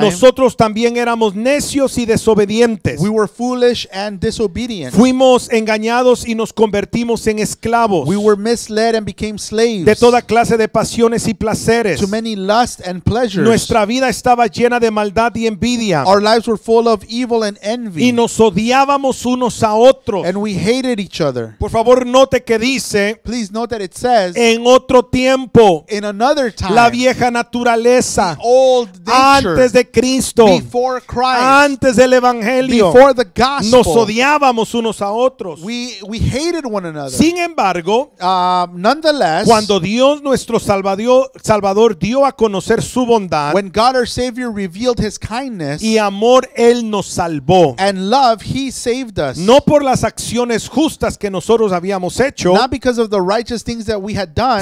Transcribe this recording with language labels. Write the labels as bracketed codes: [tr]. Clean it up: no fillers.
[es] nosotros también éramos necios y desobedientes. [en] We were foolish and disobedient. [es] Fuimos engañados y nos convertimos en esclavos. [en] We were misled and became slaves. [es] De toda clase de pasiones y placeres. [en] To many lusts and pleasures. [es] Nuestra vida estaba llena de maldad y envidia. [en] Our lives were full of evil and envy. [es] Y nos odiábamos unos a otros. [en] And we hated each other. [es] Por favor, note que dice, [en] please note that it says, [es] en otro tiempo, [en] in another time, [es] la vieja naturaleza, [en] old nature, [es] antes de Cristo, [en] before Christ, [es] antes del Evangelio, [en] before the gospel, [es] nos odiábamos unos a otros. [en] We hated one another. [es] Sin embargo, [en] nonetheless, [es] cuando Dios nuestro Salvador dio a conocer su bondad, [en] when God our Savior revealed his kindness, [es] y amor él nos salvó, [en] and love he saved us, [es] no por las acciones justas que nosotros habíamos hecho, [en] not because of the righteous things that we had done,